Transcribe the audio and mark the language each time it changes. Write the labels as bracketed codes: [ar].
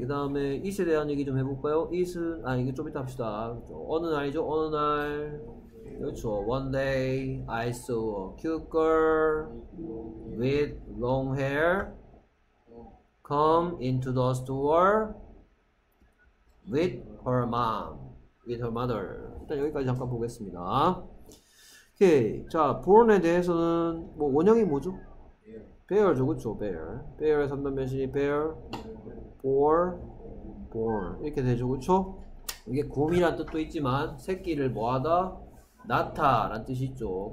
[ko] 그 다음에 it에 대한 얘기 좀 해볼까요? it은 아 이거 좀 이따 합시다. 어느 날이죠? 어느 날 그렇죠. [en] One day I saw a cute girl with long hair come into the store with her mother. [ko] 일단 여기까지 잠깐 보겠습니다. 오케이. 자, born에 대해서는 뭐 원형이 뭐죠? bear죠. 그렇죠. bear의 3단 변신이 bear or born 이렇게 되죠. 그렇죠? 이게 곰이란 뜻도 있지만 새끼를 뭐하다? 낳다라는 뜻이 있죠.